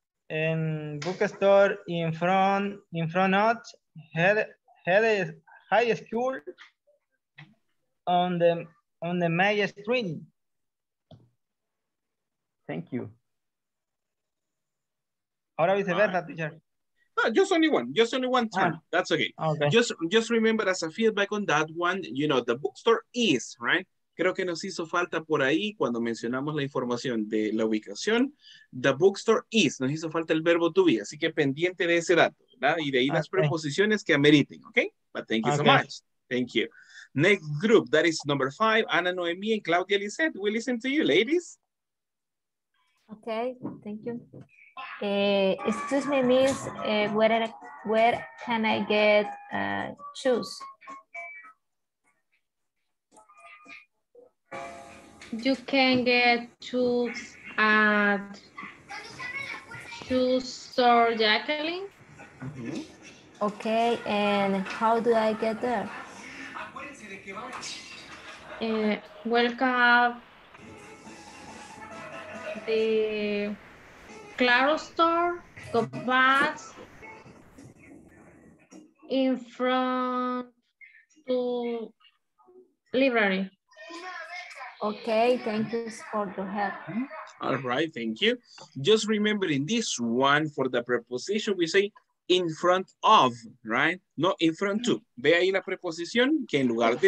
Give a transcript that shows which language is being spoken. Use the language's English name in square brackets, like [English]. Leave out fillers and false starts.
[English] In bookstore in front of high school on the main street. Thank you. [Spanish] Ahora viceversa, teacher. [English] No, just only one turn. Ah, that's okay. Okay. Just remember as a feedback on that one, you know, the bookstore is, right? [Spanish] Creo que nos hizo falta por ahí cuando mencionamos la información de la ubicación. [English] The bookstore is, [Spanish] nos hizo falta el verbo to be, así que pendiente de ese dato, ¿verdad? Y de ahí las preposiciones que ameriten, okay? [English] But thank you so much. Thank you. Next group, that is number 5, Ana Noemí and Claudia Lisette. We listen to you, ladies. Okay, thank you. Excuse me, miss, where can I get shoes? You can get shoes at Shoe Store Jacqueline. Mm-hmm. Okay, and how do I get there? Welcome the Claro store, go back in front to library. Okay, thank you for the help. All right, thank you. Just remember in this one for the preposition, we say in front of, right? No, in front to. [Spanish] Ve ahí la preposición que en lugar de